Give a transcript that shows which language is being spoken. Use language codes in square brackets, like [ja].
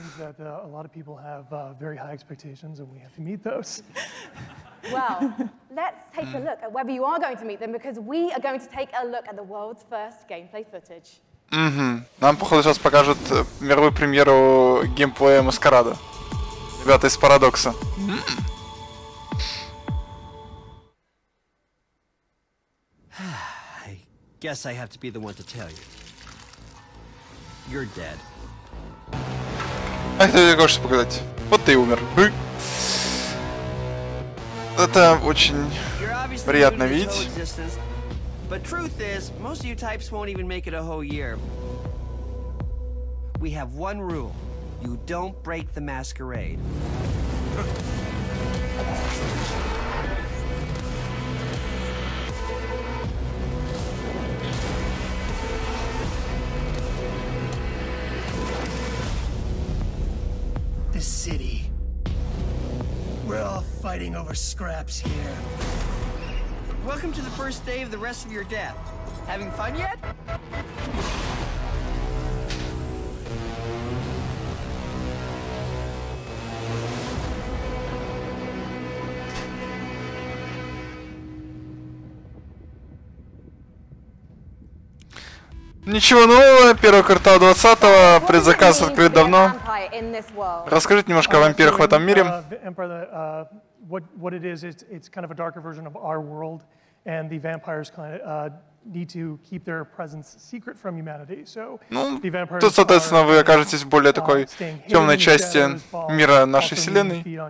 [en] That a lot of people have very high expectations, and we have to meet those. Well, let's take a look at whether you are going to meet them, because we are going to take a look at the world's first gameplay footage. [ru] Нам походу сейчас покажут мировую премьеру геймплея Маскарада. Ребята из Парадокса. [en] I guess I have to be the one to tell you. You're dead. [ru] А это я хочу показать. Вот ты и умер. Это очень приятно видеть. [en] But truth is, most of you types won't even make it a whole year. We have one rule. You don't break the masquerade. The city. We're all fighting over scraps here. Welcome to the first day of the rest of your death. Having fun yet? [ru] Ничего нового, первый квартал 20-го, предзаказ открыт давно. Расскажите немножко о вампирах в этом мире. [en] What it is, it's kind of a darker version of our world, and the vampires kind of need to keep their presence secret from humanity. So the vampires [ru] are. Ну, то соответственно вы окажетесь в более такой темной части мира нашей вселенной.